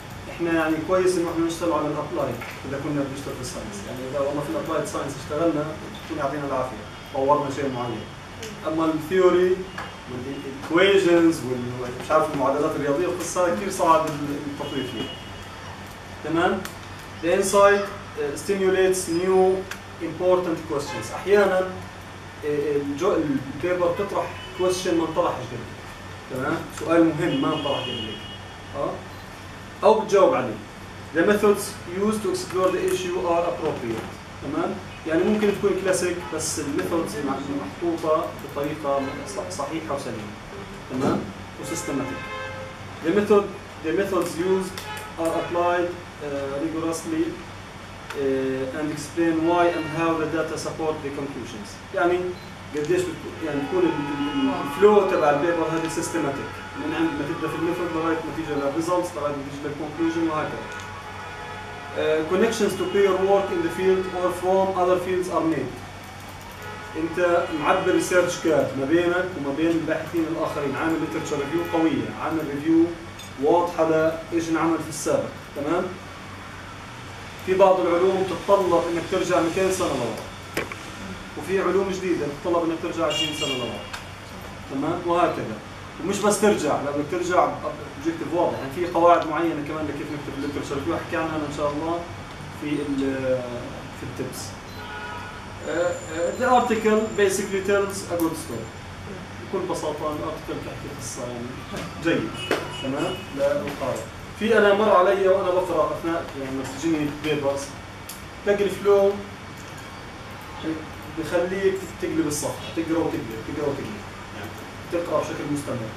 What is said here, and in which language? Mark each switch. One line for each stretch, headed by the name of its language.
Arabic: احنا يعني كويس انه احنا نشتغل على الابلايد اذا كنا بنشتغل في الساينس، يعني اذا والله في الابلايد ساينس اشتغلنا بتكون يعطينا العافيه، طورنا شيء معين. اما الثيوري والايكويجنز ومش عارف المعادلات الرياضيه القصه كثير صعب التطبيق فيها. تمام؟
English: الانسايت stimulates new important questions.
Arabic: أحياناً البيبر تطرح question من طرح جديد. تمام؟ سؤال مهم ما انطرح قبليك. أو بتجاوب عليه.
English: The methods used to explore the issue are appropriate.
Arabic: تمام؟ يعني ممكن تكون كلاسيك بس الميثودز محطوطة بطريقة صحيحة وسليمة. تمام؟ وسيستماتيك.
English: The methods used are applied rigorously and explain why and how the data support the conclusions.
Arabic: يعني قديش يعني يكون الفلو تبع البيبر هذا سيستماتيك من عند ما تبدا في الميثود لغاية ما تيجي للريزلتس لغاية ما تيجي للكونكلوجن وهكذا.
English: Connections to peer work in the field or from other fields are made.
Arabic: انت معبر ريسيرش كات ما بينك وما بين الباحثين الاخرين، عامل ريسيرش ريفيو قويه، عامل ريفيو واضحه لايش انعمل في السابق، تمام؟ في بعض العلوم تتطلب انك ترجع 200 سنه لورا، وفي علوم جديده تتطلب انك ترجع 20 سنه لورا، تمام؟ وهكذا. ومش بس ترجع، لما ترجع اوبجكتيف واضح، يعني في قواعد معينه كمان لكيف نكتب الليترشر، في احكي عنها ان شاء الله في التبس.
English: The article basically tells a good story.
Arabic: بكل بساطه الارتكل بتحكي قصه يعني جيد، تمام؟ للقارئ. في انا مر علي وانا بقرا اثناء يعني بتجيني بيبرز تلاقي الفلو بخليك تقلب الصفحه، تقرا وتقلب، تقرا وتقلب. تقرا بشكل مستمر.